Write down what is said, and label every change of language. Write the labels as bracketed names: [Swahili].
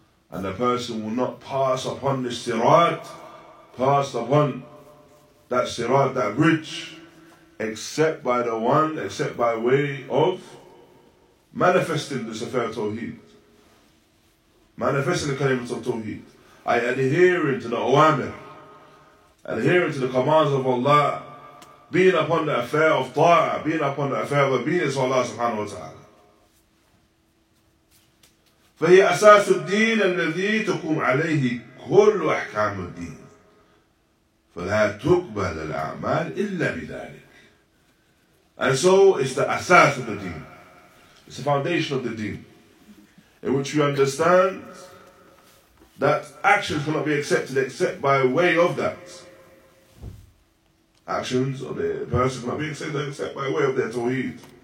[English] And the person will not pass upon this sirat, pass upon that sirat, that bridge, except by the one, except by way of manifesting this affair of Tawheed. Manifesting the kalimat of Tawheed. I adhering to the awamir, adhering to the commands of Allah, being upon the affair of ta'ah, being upon the affair of obedience to Allah subhanahu wa ta'ala. [Arabic] فهي أساس الدين الذي تقوم عليه كل أحكام الدين فلا تقبل الأعمال إلا بذلك. [English] And so it's the asas of the deen. It's the foundation of the deen, in which we understand that actions cannot be accepted except by way of that. actions of the person not being saved except by way of their tawheed.